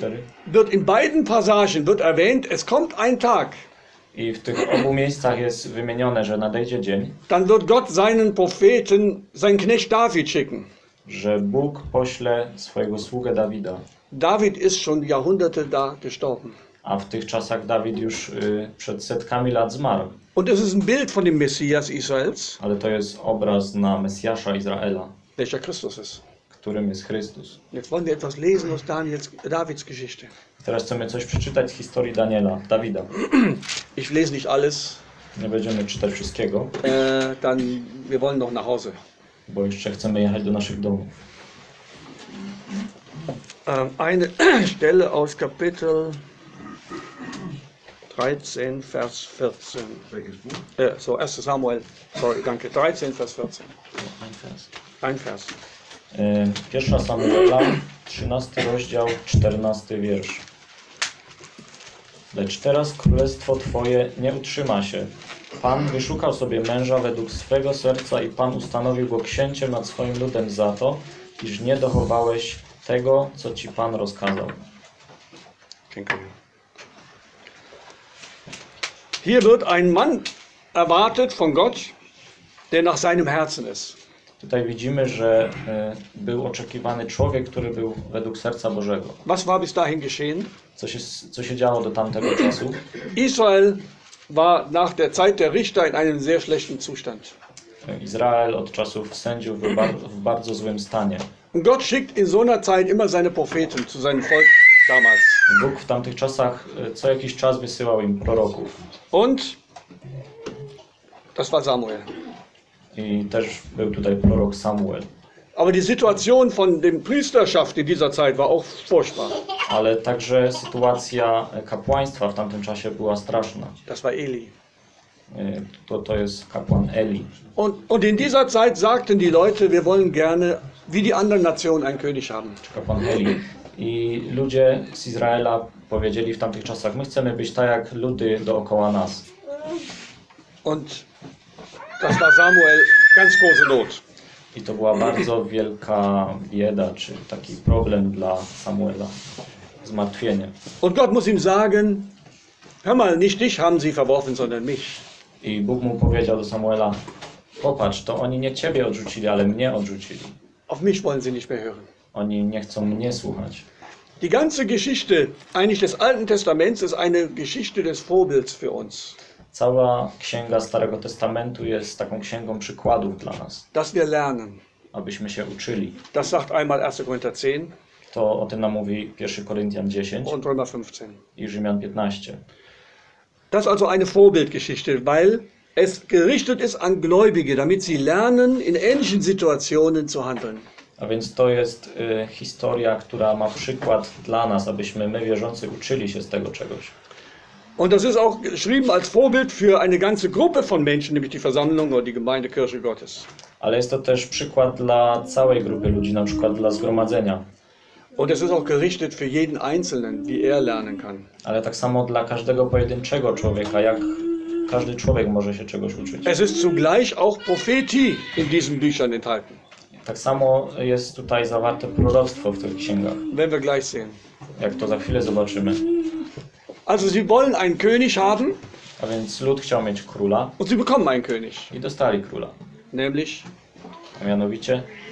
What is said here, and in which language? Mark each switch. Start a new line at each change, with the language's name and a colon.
German: Dann wird in beiden Passagen wird erwähnt, es kommt ein Tag.
Polish: I w tych obu miejscach jest wymienione, że nadejdzie dzień.
German: Dann wird Gott seinen Propheten, seinen Knecht David schicken.
Polish: Że Bóg pośle swojego sługę Dawida.
German: David ist schon Jahrhunderte da gestorben.
Polish: A w tych czasach Dawid już przed setkami lat zmarł.
German: Und es ist ein Bild von dem Messias Israels.
Polish: Ale to jest obraz na Mesjasza Izraela.
German: Welcher Christus ist.
Polish: Którym jest Chrystus.
German: Jetzt wollen wir etwas lesen aus Daniels, Davids Geschichte.
Polish: Teraz chcemy coś przeczytać z historii Daniela, Dawida.
German: Ich lese nicht alles.
Polish: Nie będziemy czytać wszystkiego.
German: Dann wir wollen noch nach Hause.
Polish: Bo jeszcze chcemy jechać do naszych domów.
German: Eine Stelle aus Kapitel 13, Vers 14. Welches Buch? Ja, so, 1. Samuel. Sorry, danke. 13, Vers 14. Ein Vers. Ein Vers.
Polish: Pierwsza Samuela, 13 rozdział, 14 wiersz. Lecz teraz królestwo Twoje nie utrzyma się. Pan wyszukał sobie męża według swego serca i Pan ustanowił go księciem nad swoim ludem za to, iż nie dochowałeś tego, co Ci Pan rozkazał. Dziękuję.
German: Hier wird ein Mann erwartet von Gott, der nach seinem Herzen ist.
Polish: Tutaj widzimy, że był oczekiwany człowiek, który był według serca Bożego.
German: Was war bis dahin geschehen?
Polish: Co się działo do tamtego czasu?
German: Israel war nach der Zeit der Richter in einem sehr schlechten Zustand.
Polish: Izrael od czasów sędziów był w bardzo złym stanie.
German: Gott schickt in so einer Zeit immer seine Propheten zu seinem Volk damals.
Polish: Bóg w tamtych czasach co jakiś czas wysyłał im proroków.
German: Und das war Samuel.
Polish: I też był tutaj prorok Samuel.
German: Aber die Situation von dem Priesterschaft in dieser Zeit war auch furchtbar.
Polish: Ale także sytuacja kapłaństwa w tamtym czasie była straszna.
German: Das war Eli.
Polish: To jest kapłan Eli.
German: Und in dieser Zeit sagten die Leute, wir wollen gerne wie die anderen Nationen einen König haben.
Polish: Kapłan Eli. I ludzie z Izraela powiedzieli w tamtych czasach, my chcemy być tak jak ludy dookoła nas.
German: Und das war Samuel ganz große Not.
Polish: I to była bardzo wielka bieda, czy taki problem dla Samuela, zmartwienie.
German: Und Gott muss ihm sagen, hör mal, nicht dich haben sie verworfen, sondern mich.
Polish: I Bóg mu powiedział do Samuela, popatrz, to oni nie ciebie odrzucili, ale mnie odrzucili.
German: Auf mich wollen sie nicht mehr hören.
Polish: Oni nie chcą mnie słuchać.
German: Die ganze Geschichte eigentlich des Alten Testaments ist eine Geschichte des Vorbilds für uns.
Polish: Cała księga Starego Testamentu jest taką księgą przykładów dla nas.
German: Dass wir lernen.
Polish: Abyśmy się uczyli.
German: Das sagt einmal 1. Korinther 10.
Polish: To o tym nam mówi 1. Korinthian 10.
German: Und Römer 15.
Polish: I Rzymian 15.
German: Das ist also eine Vorbildgeschichte, weil es gerichtet ist an Gläubige, damit sie lernen, in ähnlichen Situationen zu handeln.
Polish: A więc to jest historia, która ma przykład dla nas, abyśmy my wierzący uczyli się z tego czegoś.
German: Und das ist auch geschrieben als Vorbild für eine ganze Gruppe von Menschen, nämlich die Versammlung oder die Gemeinde, Kirche Gottes.
Polish: Ale jest to też przykład dla całej grupy ludzi, na przykład dla zgromadzenia.
German: Und es ist auch gerichtet für jeden Einzelnen, wie er lernen kann.
Polish: Ale tak samo dla każdego pojedynczego człowieka, jak każdy człowiek może się czegoś uczyć.
German: Es ist zugleich auch Prophetie in diesen Büchern enthalten.
Polish: Tak samo jest tutaj zawarte proroctwo w tych księgach.
German: Wenn wir gleich sehen.
Polish: Jak to za chwilę zobaczymy.
German: Also sie wollen einen König haben.
Polish: A więc lud chciał mieć króla.
German: Und sie bekommen einen König.
Polish: I dostali króla.
German: Nämlich?
Polish: A mianowicie?